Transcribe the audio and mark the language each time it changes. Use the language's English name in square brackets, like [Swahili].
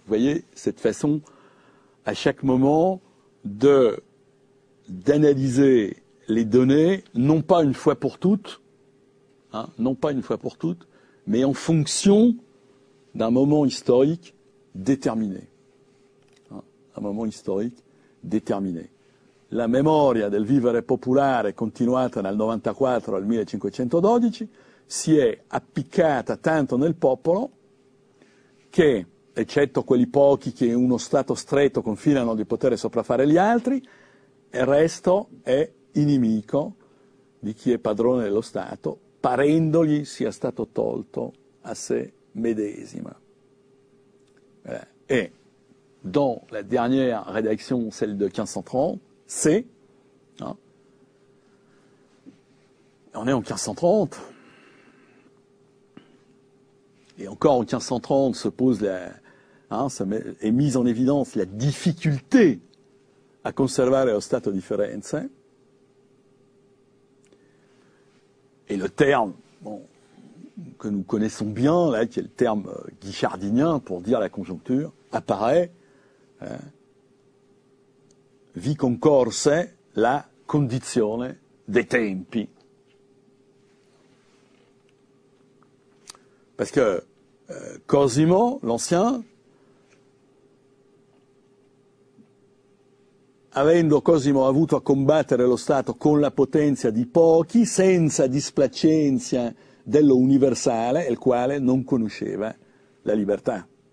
[French] Vous voyez, cette façon, à chaque moment, d'analyser les données, non pas une fois pour toutes, hein, non pas une fois pour toutes, mais en fonction d'un moment historique déterminé. Hein, un moment historique déterminé. [Italian] La memoria del vivere popolare continuata dal 94 al 1512 si è appiccata tanto nel popolo che, eccetto quelli pochi che in uno stato stretto confinano di poter sopraffare gli altri, il resto è inimico di chi è padrone dello Stato, parendogli sia stato tolto a sé medesima. [French] E, dans la dernière rédaction, celle de 1530, c'est, hein, on est en 1530, et encore en 1530 se pose la, hein, est mise en évidence la difficulté à conserver le stato di Firenze. Et le terme, bon, que nous connaissons bien, là, qui est le terme guichardinien pour dire la conjoncture, apparaît, hein, [Italian] vi concorse la condizione dei tempi. [French] Parce que Cosimo, l'ancien, [Italian] avendo Cosimo avuto a combattere lo Stato con la potenza di pochi, senza displacenza dello universale, il quale non conosceva la libertà.